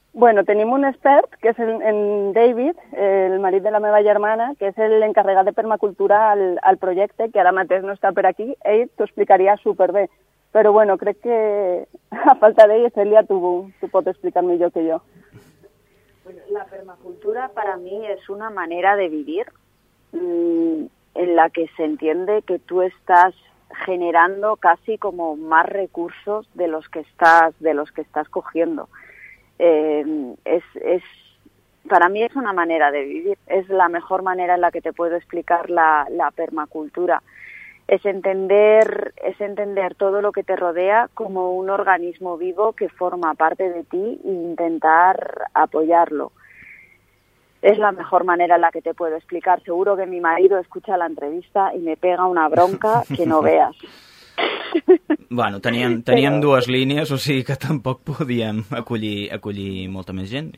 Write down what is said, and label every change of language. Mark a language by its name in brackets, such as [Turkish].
[Catalan] Bueno, tenim un expert, que és en David, el marit de la meva germana, que és l'encarregat de permacultura al projecte, que ara mateix no està per aquí. Ell t'ho explicaria superbé. Però bueno, crec que a falta d'ell, Cèlia, tu pot explicar millor que jo. [Spanish] La permacultura para mí es una manera de vivir en la que se entiende que tú estás generando casi como más recursos de los que estás cogiendo. Es para mí es una manera de vivir, es la mejor manera en la que te puedo explicar la permacultura. Es entender todo lo que te rodea como un organismo vivo que forma parte de ti e intentar apoyarlo. Es la mejor manera en la que te puedo explicar. Seguro que mi marido escucha la entrevista y me pega una bronca que no veas. [Catalan] Bueno, teníem dues línies, o sigui que tampoc podíem acollir molta més gent.